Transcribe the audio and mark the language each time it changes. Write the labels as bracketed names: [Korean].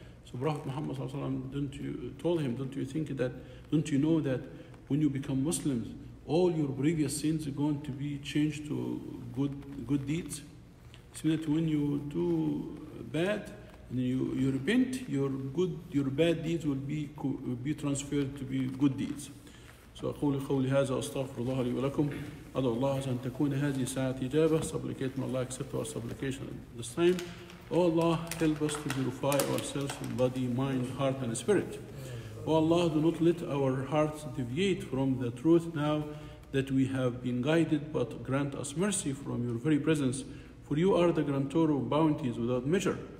[English] So Prophet Muhammad sallallahu alaihi wasallam don't you know that when you become Muslims, all your previous sins are going to be changed to good deeds? So that when you do bad and you repent, your bad deeds will be transferred to be good deeds. [Arabic] So أقول قولي هذا أستغفر الله لي ولكم. أدعو الله أن تكون هذه ساعة إجابة. [English] Supplicate, may Allah accept our supplication this time. O Allah, help us to purify ourselves in body, mind, heart, and spirit. O Allah, do not let our hearts deviate from the truth now that we have been guided, but grant us mercy from your very presence, for you are the grantor of bounties without measure.